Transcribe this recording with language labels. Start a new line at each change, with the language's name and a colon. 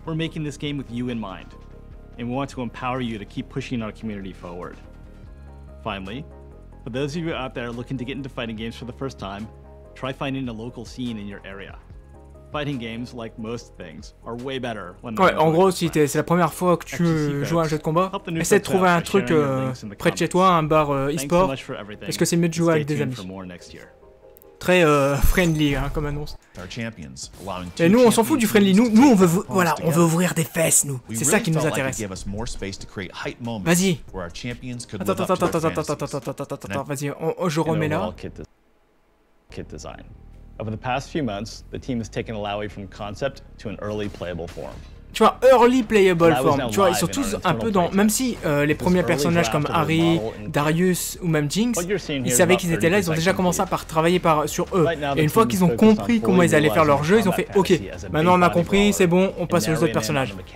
English: We're making this game with you in mind and we want to empower you to keep pushing our community forward. Finally, for those of you out there looking to get into fighting games for the first time, try finding a local scene in your area. Fighting games, like most things, are way better when
French: ouais, en gros, si c'est la première fois que tu joues à un jeu de combat, essaie de trouver un truc près de chez toi, un bar e-sport, parce que c'est mieux de jouer avec des amis. Très friendly hein, comme annonce. Et nous, on s'en fout du friendly. Nous, on veut ouvrir des fesses, nous. C'est ça qui nous intéresse. Vas-y. Attends. Vas-y, je remets là.
English: Kit design. Over the past few months, the team has taken Alawi from concept to an early playable form.
French: Tu vois,
English: early playable form.
French: Tu vois, ils sont tous un peu dans. Même si les premiers personnages comme Harry, Darius ou même Jinx, ils savaient qu'ils étaient là, ils ont déjà commencé par travailler sur eux. Et une fois qu'ils ont compris comment ils allaient faire leur jeu, ils ont fait OK, maintenant on a compris, c'est bon, on passe aux autres personnages.